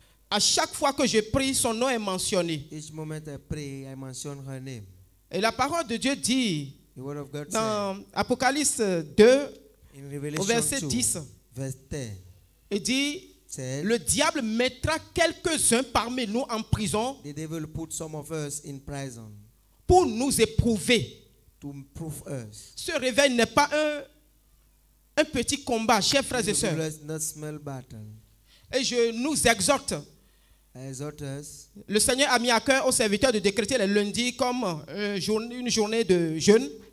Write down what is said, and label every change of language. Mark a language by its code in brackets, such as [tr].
[fr] À chaque fois que je prie, son nom est mentionné. [en] Each moment I pray, I mention her name. [fr] Et la parole de Dieu dit, [en] the word of God [fr] dans [en] said, [fr] Apocalypse 2, [en] in Revelation [fr] au verset 2, 10, [en] verse 10, [fr] il dit, [en] said, [fr] le diable mettra quelques-uns parmi nous en prison, [en] the devil put some of us in prison [fr] pour nous éprouver. [en] To prove us. [fr] Ce réveil n'est pas un petit combat, chers frères et sœurs. [en] It's not a small battle. [fr] Et je nous exhorte. [en] Exhortes. [fr] Le Seigneur a mis à cœur aux serviteurs de décréter les lundis comme une journée de jeûne.